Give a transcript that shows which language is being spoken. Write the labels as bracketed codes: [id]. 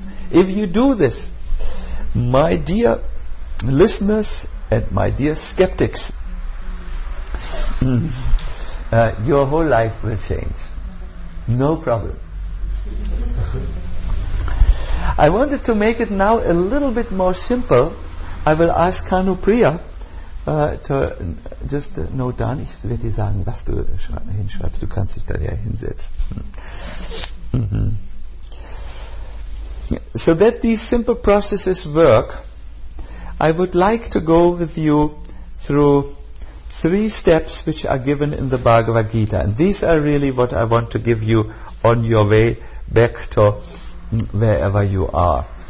[en] If you do this, my dear listeners and my dear skeptics, your whole life will change. No problem. I wanted to make it now a little bit more simple. I will ask Kanu Priya to just note down. [de] Ich werde dir sagen, was du hinschreibst. Du kannst dich da ja hinsetzen. [en] So that these simple processes work, I would like to go with you through three steps which are given in the Bhagavad Gita. And these are really what I want to give you on your way back to wherever you are.